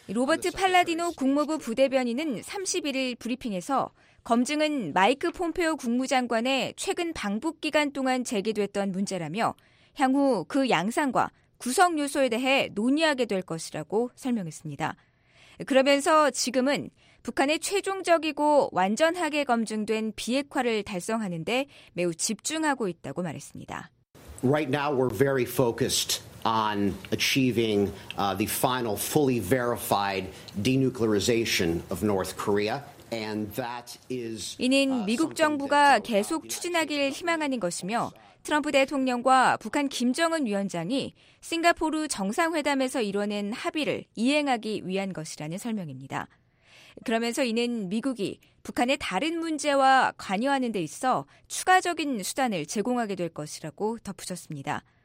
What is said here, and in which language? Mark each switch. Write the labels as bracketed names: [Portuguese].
[Korean] 로버트 팔라디노 국무부 부대변인은 31일 브리핑에서 검증은 마이크 폼페오 국무장관의 최근 방북 기간 동안 제기됐던 문제라며 향후 그 양상과 구성 요소에 대해 논의하게 될 것이라고 설명했습니다. 그러면서 지금은 북한의 최종적이고 완전하게 검증된 비핵화를 달성하는 데 매우 집중하고 있다고 말했습니다. [English] Right now we're very focused on achieving the final fully verified denuclearization of North Korea. And that is [Korean] 이는 미국 정부가 계속 추진하길 희망하는 것이며 트럼프 대통령과 북한 김정은 위원장이 싱가포르 정상회담에서 이뤄낸 합의를 이행하기 위한 것이라는 설명입니다. 그러면서 이는 미국이 북한의 다른 문제와 관여하는 데 있어 추가적인 수단을 제공하게 될 것이라고 덧붙였습니다.